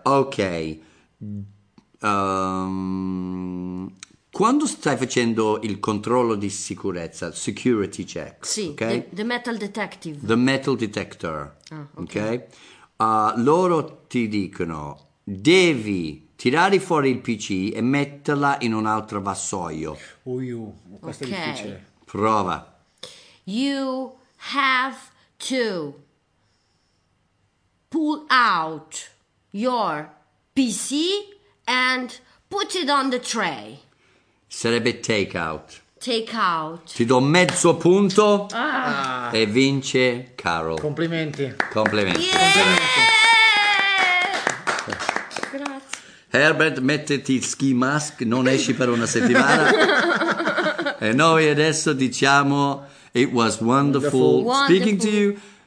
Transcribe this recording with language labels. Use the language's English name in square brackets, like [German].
[Italian] Ok, quando stai facendo il controllo di sicurezza, [English] security check, [Italian] sì, [English] okay? The metal detective, the metal detector. Ah, ok. [Italian] Loro ti dicono, devi tirare fuori il PC e metterla in un altro vassoio. Questo okay. è difficile. Prova. [English] You have to pull out your PC and put it on the tray. [Italian] Sarebbe [English] take out. Take out. [Italian] Ti do mezzo punto e vince Carol. Complimenti. Complimenti. Yeah! Complimenti. Grazie. Herbert, mettiti il [English] ski mask, [Italian] non esci per una settimana. E noi adesso diciamo, [English] it was wonderful speaking to you.